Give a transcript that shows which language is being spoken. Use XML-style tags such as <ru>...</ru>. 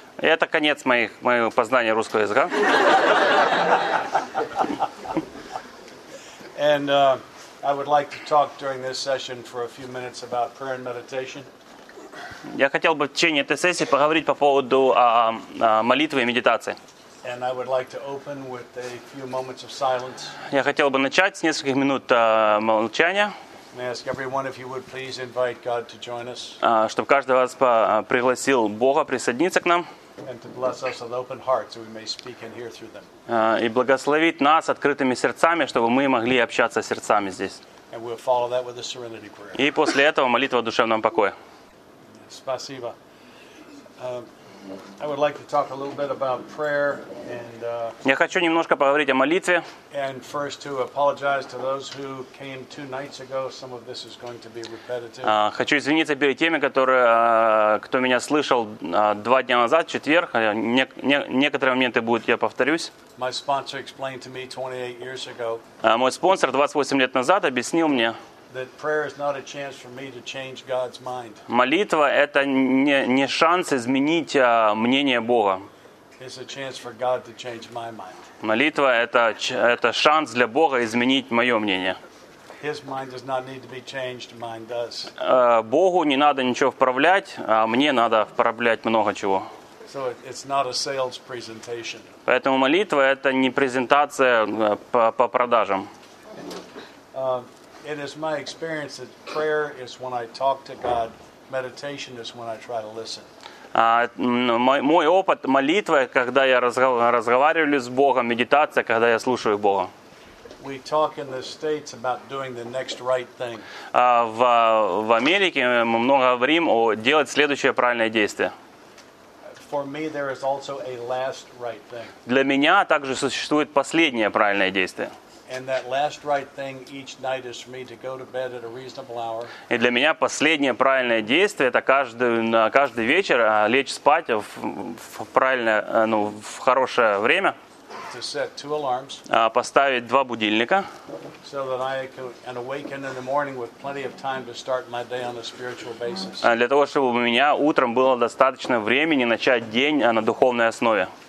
<ru>Это конец моего познания русского языка.</ru> <en>And I would like to talk during this session for a few minutes about prayer and meditation.</en> <ru>Я хотел бы в течение этой сессии поговорить по поводу молитвы и медитации.</ru> <en>And I would like to open with a few moments of silence.</en> <ru>Я хотел бы начать с нескольких минут молчания.</ru> <en>May I ask everyone if you would please invite God to join us.</en> <ru>Чтобы каждый из вас пригласил Бога присоединиться к нам.</ru> <en>And to bless us with open hearts so we may speak and hear through them.</en> <ru>И благословить нас открытыми сердцами, чтобы мы могли общаться сердцами здесь.</ru> <en>And we'll follow that with a serenity prayer.</en> <ru>И после этого молитва о душевном покое. Спасибо.</ru> <en>I would like to talk a little bit about prayer and</en> <ru>Я хочу немножко поговорить о молитве.</ru> <en>And first to apologize to those who came two nights ago. Some of this is going to be repetitive.</en> <ru>Хочу извиниться перед теми, которые кто меня слышал два дня назад, в четверг. Некоторые моменты будут, я повторюсь.</ru> <en>My sponsor explained to me 28 years ago.</en> <ru>Мой спонсор 28 лет назад объяснил мне.</ru> <en>That prayer is not a chance for me to change God's mind.</en> <ru>Молитва это не шанс изменить мнение Бога.</ru> <en>It's a chance for God to change my mind.</en> <ru>Молитва это шанс для Бога изменить мое мнение.</ru> <en>His mind does not need to be changed, mine does.</en> <ru>Богу не надо ничего вправлять, а мне надо вправлять много чего.</ru> <en>So it's not a sales presentation.</en> <ru>Поэтому молитва это не презентация по продажам.</ru> <en>It is my experience that prayer is when I talk to God, meditation is when I try to listen.</en> <ru>Мой опыт молитвы, когда я разговариваю с Богом, медитация, когда я слушаю Бога.</ru> <en>We talk in the States about doing the next right thing.</en> <ru>В Америке мы много говорим о делать следующее правильное действие.</ru> <en>For me there is also a last right thing.</en> <ru>Для меня также существует последнее правильное действие.</ru> <en>And that last right thing each night is for me to go to bed at a reasonable hour.</en> <ru>И для меня последнее правильное действие это каждый вечер лечь спать в правильное, ну, в хорошее время.</ru> <en>To set two alarms.</en> <ru>Поставить два будильника.</ru> <en>So that I can awaken in the morning with plenty of time to start my day on a spiritual basis.</en> <ru>Для того, чтобы у меня утром было достаточно времени начать день на духовной основе.</ru>